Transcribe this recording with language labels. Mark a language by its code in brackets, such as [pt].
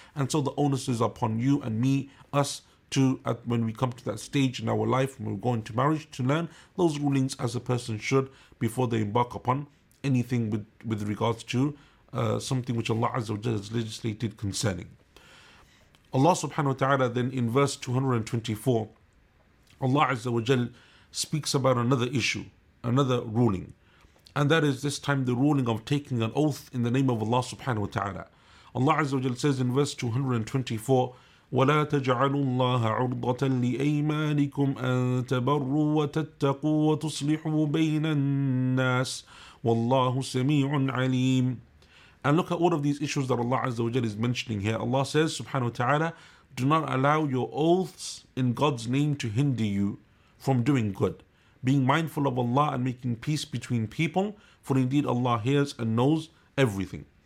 [en] and so the onus is upon you and me, us, to when we come to that stage in our life, when we're going to marriage, to learn those rulings as a person should before they embark upon anything with regards to something which Allah Azza wa Jalla has legislated concerning. Allah subhanahu wa ta'ala then in verse 224, Allah Azza wa Jalla speaks about another issue, another ruling. And that is this time the ruling of taking an oath in the name of Allah subhanahu wa ta'ala. Allah Azza wa Jalla says in verse 224, [ar] وَلَا تَجْعَلُوا اللَّهَ عُرْضَةً لِأَيْمَانِكُمْ أَن تَبَرُّوا وَتَتَّقُوا وَتُصْلِحُوا بَيْنَ النَّاسِ وَاللَّهُ سَمِيعٌ عَلِيمٌ. [en] And look at all of these issues that Allah Azza wa Jal is mentioning here. Allah says, subhanahu wa ta'ala, do not allow your oaths in God's name to hinder you from doing good. Being mindful of Allah and making peace between people, for indeed Allah hears and knows everything.